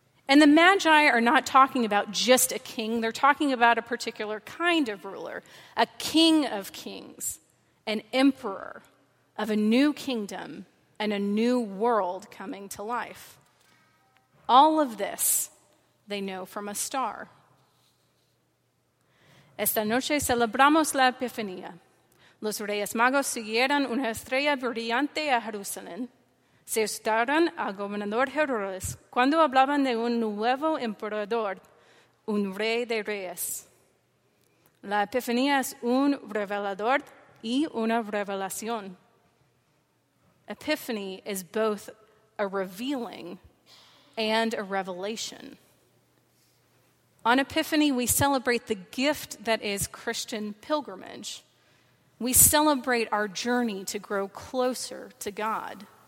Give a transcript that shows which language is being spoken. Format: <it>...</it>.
<en>And the Magi are not talking about just a king, they're talking about a particular kind of ruler, a king of kings, an emperor of a new kingdom and a new world coming to life. All of this they know from a star.</en> <es>Esta noche celebramos la Epifanía. Los Reyes Magos siguieron una estrella brillante a Jerusalén. Se asustaron al gobernador Herodes cuando hablaban de un nuevo emperador, un rey de reyes. La Epifanía es un revelador y una revelación.</es> <en>Epiphany is both a revealing and a revelation. On Epiphany, we celebrate the gift that is Christian pilgrimage. We celebrate our journey to grow closer to God.</en>